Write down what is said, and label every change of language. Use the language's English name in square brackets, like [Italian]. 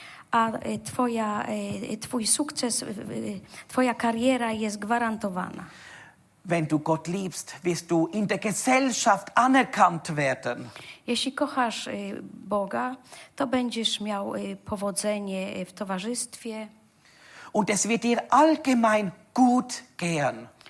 [Polish] A twój sukces, twoja kariera jest gwarantowana. [German] Wenn du Gott liebst, wirst du in der Gesellschaft anerkannt werden. [Polish] Jeśli kochasz Boga, to będziesz miał powodzenie w towarzystwie. [German] Und es wird dir allgemein gut gehen.